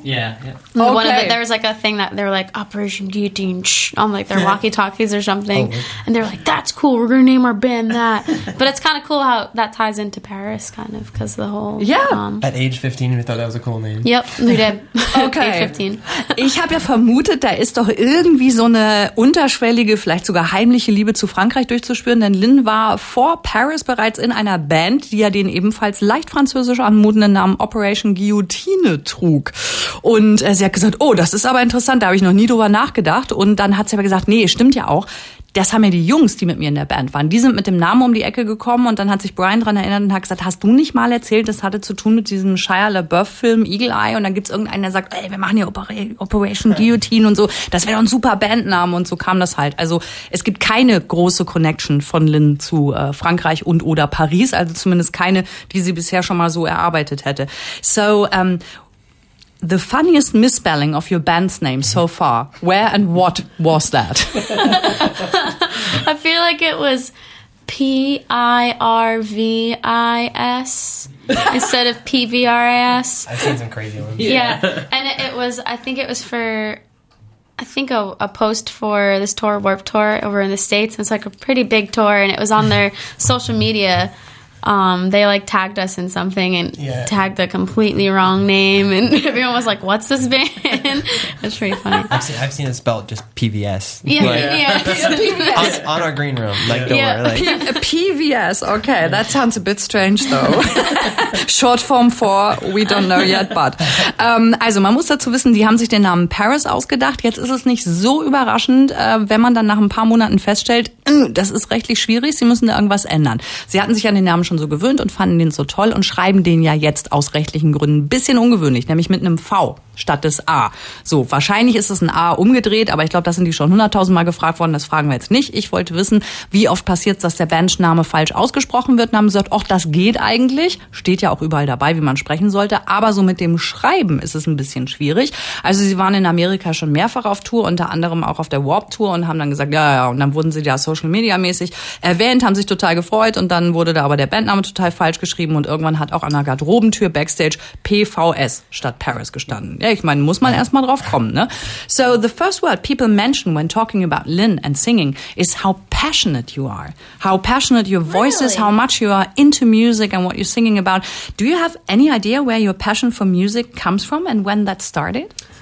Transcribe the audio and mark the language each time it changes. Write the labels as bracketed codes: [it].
[en] Yeah, yeah. Okay. There was like a thing that they were like, Operation Guillotine, on like their walkie-talkies or something. Oh, and they were like, that's cool, we're going to name our band that. But it's kind of cool how that ties into Paris, kind of, because the whole... Yeah. At age 15, we thought that was a cool name. Yep, we did. Okay. Age 15. [de] Ich habe ja vermutet, da ist doch irgendwie so eine unterschwellige, vielleicht sogar heimliche Liebe zu Frankreich durchzuspüren. Denn Lynn war vor Paris bereits in einer Band, die ja den ebenfalls leicht französisch anmutenden Namen Operation Guillotine trug. Und sie hat gesagt, oh, das ist aber interessant, da habe ich noch nie drüber nachgedacht. Und dann hat sie aber gesagt, nee, stimmt ja auch. Das haben ja die Jungs, die mit mir in der Band waren. Die sind mit dem Namen um die Ecke gekommen und dann hat sich Brian dran erinnert und hat gesagt, hast du nicht mal erzählt, das hatte zu tun mit diesem Shia LaBeouf-Film Eagle Eye und dann gibt's irgendeinen, der sagt, ey, wir machen hier Operation Guillotine und so. Das wäre doch ein super Bandname und so kam das halt. Also es gibt keine große Connection von Lynn zu Frankreich und oder Paris, also zumindest keine, die sie bisher schon mal so erarbeitet hätte. [en] So, the funniest misspelling of your band's name so far, where and what was that? I feel like it was P-I-R-V-I-S instead of P-V-R-I-S. I've seen some crazy ones. Yeah. And I think it was a post for this tour, Warped Tour, over in the States. And it's like a pretty big tour and it was on their social media. They like tagged us in something and tagged a completely wrong name and everyone was like, what's this band? That's pretty funny. I've seen it spelled just PVS. Yeah, like, PVS. On our green room. Like, don't worry. Like. PVS. Okay. That sounds a bit strange though. Short form for, we don't know yet, but. [de] Also man muss dazu wissen, die haben sich den Namen Paris ausgedacht. Jetzt ist es nicht so überraschend, wenn man dann nach ein paar Monaten feststellt, das ist rechtlich schwierig, sie müssen da irgendwas ändern. Sie hatten sich an den Namen schon so gewöhnt und fanden den so toll und schreiben den ja jetzt aus rechtlichen Gründen ein bisschen ungewöhnlich, nämlich mit einem V statt des A. So, wahrscheinlich ist es ein A umgedreht, aber ich glaube, das sind die schon 100.000 Mal gefragt worden, das fragen wir jetzt nicht. Ich wollte wissen, wie oft passiert es, dass der Bandname falsch ausgesprochen wird und haben gesagt, ach, das geht eigentlich, steht ja auch überall dabei, wie man sprechen sollte, aber so mit dem Schreiben ist es ein bisschen schwierig. Also sie waren in Amerika schon mehrfach auf Tour, unter anderem auch auf der Warped Tour und haben dann gesagt, ja, ja, und dann wurden sie ja Social Media mäßig erwähnt, haben sich total gefreut und dann wurde da aber der Bandname total falsch geschrieben und irgendwann hat auch an der Garderobentür Backstage PVS statt Paris gestanden. Ja, ich meine, muss man erstmal drauf kommen, ne? [en] So, the first word people mention when talking about Lynn and singing is how passionate you are. How passionate your voice really? Is, how much you are into music and what you're singing about. Do you have any idea where your passion for music comes from and when that started?